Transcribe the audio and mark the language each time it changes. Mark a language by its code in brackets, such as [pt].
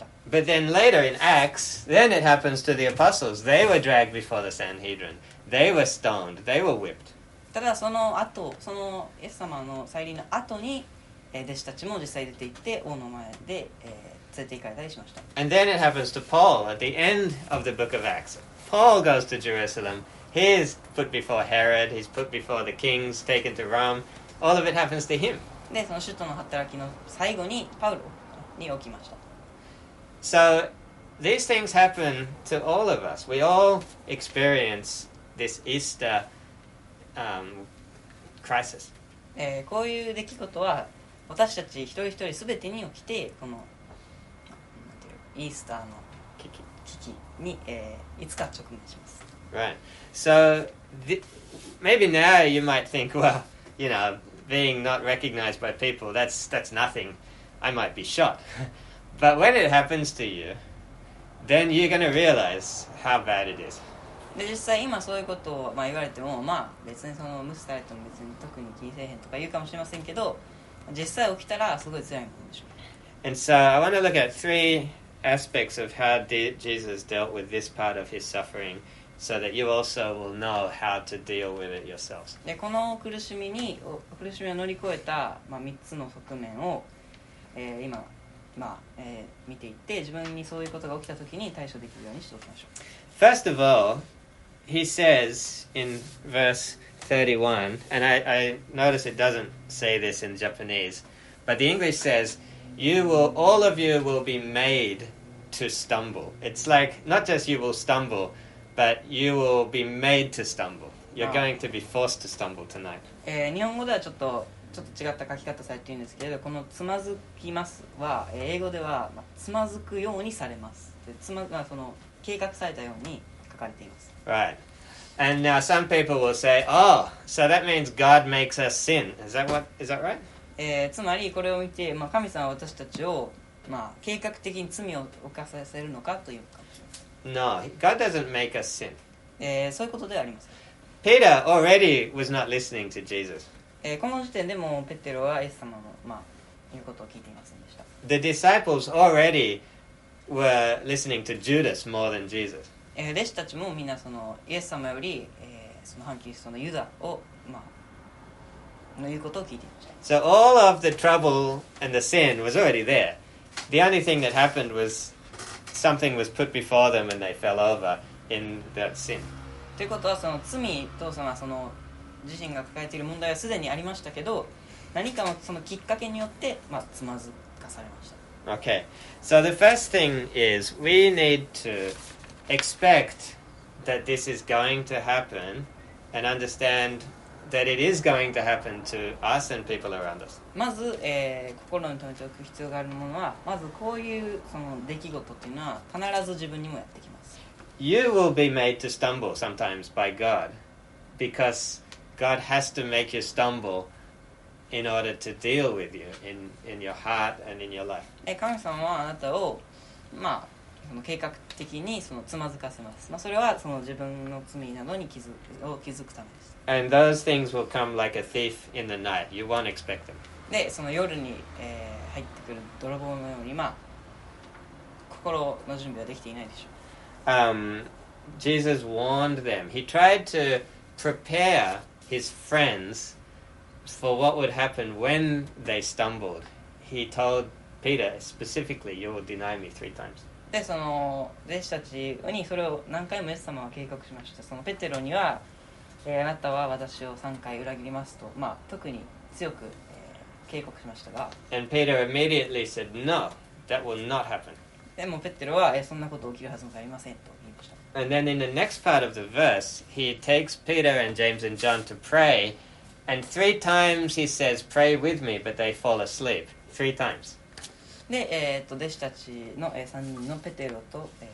[en] But then later in Acts, then it happens to the apostles. They were dragged before the Sanhedrin. They were stoned. They were whipped. [ja] ただその後、そのイエス様の再臨の後に、弟子たちも実際出て行って王の前で、連れて行かれたりしました。 [en] And then it happens to Paul at the end of the book of Acts. Paul goes to Jerusalem. He is put before Herod. He's put before the kings, taken to Rome. All of it happens to him. [ja] で、その使徒の働きの最後にパウロに起きました。 [en] So, these things happen to all of us. We all experience this Easter crisis. [ja] こういう出来事は私たち一人一人すべてに起きて、このなんていうイースターの危機に、いつか直面します。 [en] Right. So, maybe now you might think, well, you know, being not recognized by people, that's nothing. I might be shot. But when it happens to you, then you're going to realize how bad it is. [ja] で実際今そういうことを、まあ、言われても、まあ、別にその無視されても別に特に気にせえへんとか言うかもしれませんけど、実際起きたらすごい辛いものでしょう。 [en] And so I want to look at three aspects of how Jesus dealt with this part of his suffering. So that you also will know how to deal with it yourselves. [ja] で、この苦しみを乗り越えた、まあ、3つの側面を、今、まあ見ていって、自分にそういうことが起きたときに対処できるようにしておきましょう。 [en] First of all, he says in verse 31, and I notice it doesn't say this in Japanese, but the English says, "You will, all of you will be made to stumble." It's like not just you will stumble. But you will be made to stumble. You're going to be forced to stumble tonight. [ja] 日本語ではちょっと違った書き方されているんですけれど、このつまずきますは英語では、まあ、つまずくようにされます。で、つま、まあ、その計画されたように書かれています。 [en] Right. And now some people will say, "Oh, so that means God makes us sin." Is that right? [ja] つまりこれを見て、まあ、神様は私たちを、まあ、計画的に罪を犯させるのかというか。 [en] No, God doesn't make us sin. [ja] そういうことではありません。 [en] Peter already was not listening to Jesus. [ja] この時点でもペテロはイエス様の、まあ、言うことを聞いていませんでした。 [en] The disciples already were listening to Judas more than Jesus. [ja] 弟子たちもみんなそのイエス様より、その反キリストのユダを、まあ、の言うことを聞いていました。 [en] So all of the trouble and the sin was already there. The only thing that happened was... Something was put before them and they fell over in that sin. [ja] ということはその罪とその自身が抱えている問題はすでにありましたけど、何かのそのきっかけによって、まあ、つまずかされました。 [en] Okay. So the first thing is we need to expect that this is going to happen and understand that it is going to happen to us and people around us. [ja] まず、心に留めておく必要があるものは、まずこういうその出来事っていうのは必ず自分にもやってきます。 [en] You will be made to stumble sometimes by God because God has to make you stumble in order to deal with you in your heart and in your life. [ja] 神様はあなたを、まあ、その計画的にそのつまずかせます。まあ、それはその自分の罪などに気づくためです。 [en] And those things will come like a thief in the night. You won't expect them. [ja] で、その夜に、入ってくる泥棒のように、まあ、心の準備はできていないでしょう。 [en] Jesus warned them. He tried to prepare his friends for what would happen when they stumbled. He told Peter specifically, "You will deny me three times." [ja] で、その弟子たちにそれを何回もイエス様は警告しました。そのペテロには、あなたは私を3回裏切りますと、まあ、特に強く、警告しましたが。 [en] And Peter immediately said, "No, that will not happen." [ja] でもペテロは、そんなこと起きるはずもありませんと言いました。 [en] And then in the next part of the verse, he takes Peter and James and John to pray, and three times he says, "Pray with me," but they fall asleep. Three times. [ja] で、弟子たちの、3人のペテロと、どうぞ。